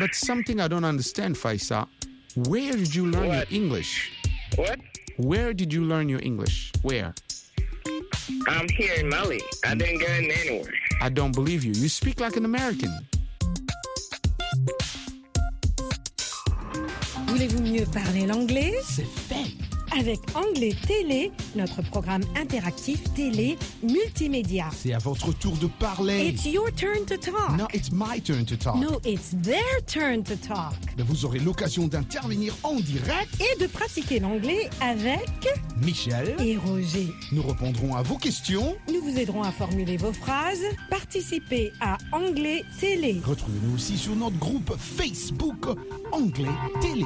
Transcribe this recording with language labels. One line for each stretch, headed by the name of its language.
English: But something I don't understand, Faisa. Where did you learn your English? What? Where did you learn your English? Where? I'm here in Mali. I didn't go anywhere. I don't believe you. You speak like an American.
French: Voulez-vous mieux parler l'anglais? C'est fait. Avec Anglais Télé, notre programme interactif télé multimédia. C'est à votre tour de parler.
English: It's your turn to talk. No, it's my turn to talk. No, it's their turn to talk.
French: Mais vous aurez l'occasion d'intervenir en direct. Et de pratiquer l'anglais avec... Michel. Et Roger. Nous répondrons à vos questions. Nous vous aiderons à formuler vos phrases. Participez à Anglais Télé. Retrouvez-nous aussi sur notre groupe Facebook Anglais Télé.